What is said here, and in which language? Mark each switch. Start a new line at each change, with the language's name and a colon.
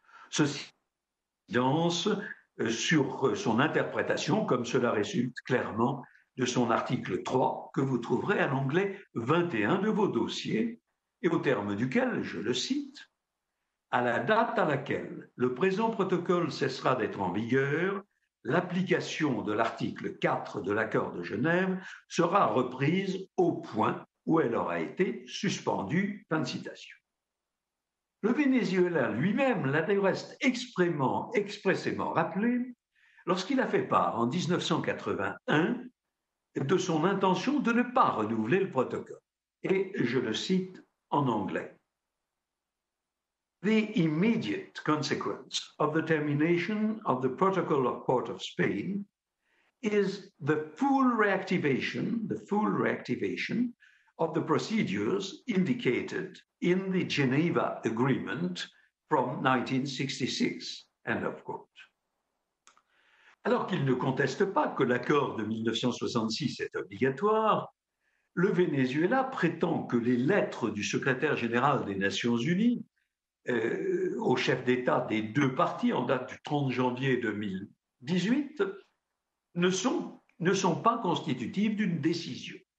French: Ceci danse sur son interprétation, comme cela résulte clairement de son article 3, que vous trouverez à l'onglet 21 de vos dossiers, et au terme duquel, je le cite, « À la date à laquelle le présent protocole cessera d'être en vigueur, l'application de l'article 4 de l'accord de Genève sera reprise au point où elle aura été suspendue. » Fin de citation. Le Venezuela lui-même l'a du reste expressément rappelé lorsqu'il a fait part en 1981 de son intention de ne pas renouveler le protocole. Et je le cite en anglais.
English: The immediate consequence of the termination of the Protocol of Port of Spain is the full reactivation of the procedures indicated in the Geneva Agreement from 1966, end of quote.
French: Alors qu'il ne conteste pas que l'accord de 1966 est obligatoire, le Venezuela prétend que les lettres du secrétaire général des Nations Unies aux chefs d'État des deux parties en date du 30 janvier 2018 ne sont pas constitutives d'une décision.